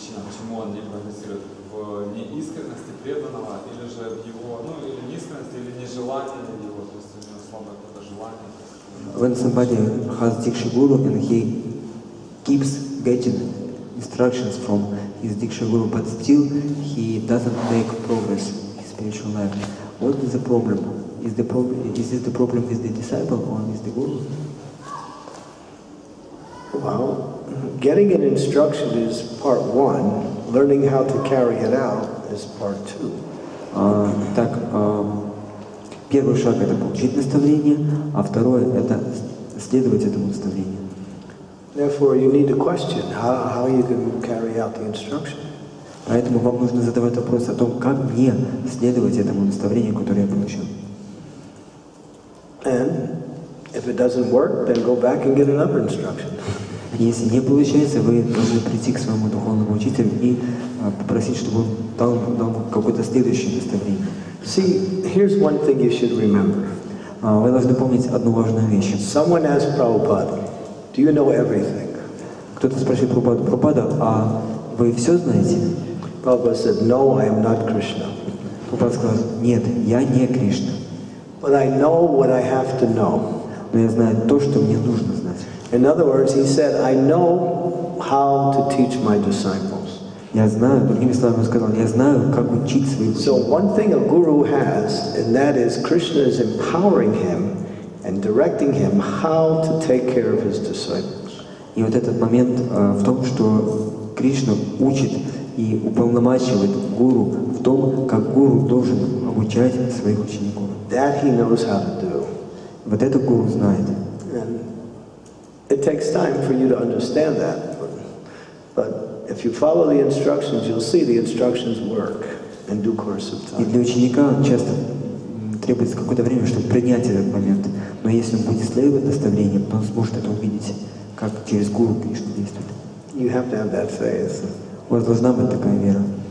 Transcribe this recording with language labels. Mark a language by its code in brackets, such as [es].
[ru] Почему он не прогрессирует? В неискренности преданного или же в его, ну или неискренности, или нежелание его, то есть у него слабое какое-то желание. [en] When somebody has Diksha Guru and he keeps getting instructions from his Diksha Guru, but still he doesn't make progress in spiritual life. What is the problem? Is this the problem with the disciple or with the guru? Well, getting an instruction is part one. Learning how to carry it out is part two. [ru] Так, первый шаг это получить наставление, а второе это следовать этому наставлению. [en] Therefore, you need a question: how you can carry out the instruction? [ru] Поэтому вам нужно задавать вопрос о том, как мне следовать этому наставлению, которое я получил. [en] And if it doesn't work, then go back and get another instruction. [ru] Если не получается, вы должны прийти к своему духовному учителю и попросить, чтобы он дал какое-то следующее наставление. [en] See, here's one thing you should remember. [ru] Вы должны помнить одну важную вещь. [en] Someone asked Prabhupada, do you know everything? [ru] Кто-то спросил Прабхупада, а вы все знаете? [en] Prabhupada said, no, I am not Krishna. [ru] Прабхупада сказал, нет, я не Кришна. [en] But I know what I have to know. [ru] Но я знаю то, что мне нужно знать. [en] In other words, he said, I know how to teach my disciples. [ru] Я знаю, другими словами, сказал, я знаю, как учить своих. [en] So one thing a guru has, and that is Krishna is empowering him and directing him how to take care of his disciples. [ru] И вот этот момент в том, что Кришна учит и уполномачивает гуру в том, как гуру должен обучать своих учеников. [en] That he knows how to do. [ru] Вот это гуру знает. [en] It takes time for you to understand that, but if you follow the instructions, you'll see the instructions work in due course of time. [ru] И для ученика часто требуется какое-то время, чтобы принять этот момент. Но если он будет следовать наставлениям, то он сможет это увидеть, как через гуру Кришна действует. [en] You have to have that faith. [ru] У вас должна быть такая вера.